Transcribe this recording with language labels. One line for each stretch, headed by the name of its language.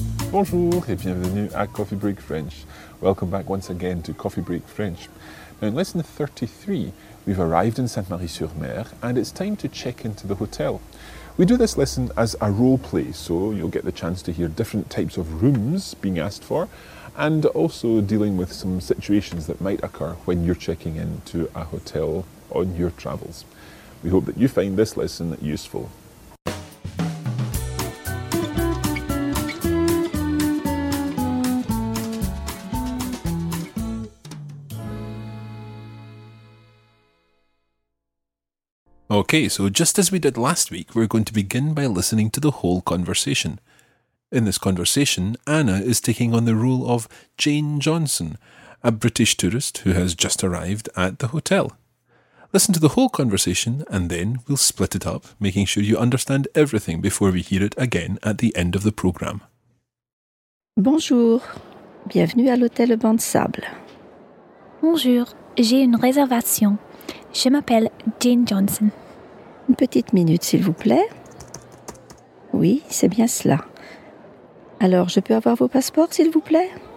French: Bonjour et bienvenue à Coffee Break French.
English: Welcome back once again to Coffee Break French. Now in lesson 33, we've arrived in Sainte-Marie-sur-Mer and it's time to check into the hotel. We do this lesson as a role play, so you'll get the chance to hear different types of rooms being asked for and also dealing with some situations that might occur when you're checking into a hotel on your travels. We hope that you find this lesson useful. Okay, so just as we did last week, we're going to begin by listening to the whole conversation. In this conversation, Anna is taking on the role of Jane Johnson, a British tourist who has just arrived at the hotel. Listen to the whole conversation and then we'll split it up, making sure you understand everything before we hear it again at the end of the programme.
French: Bonjour, bienvenue à l'hôtel Le Banc de Sable. Bonjour, j'ai une réservation. Je m'appelle Jane Johnson. Une petite minute, s'il vous plaît. Oui, c'est bien cela. Alors, je peux avoir vos passeports, s'il vous plaît?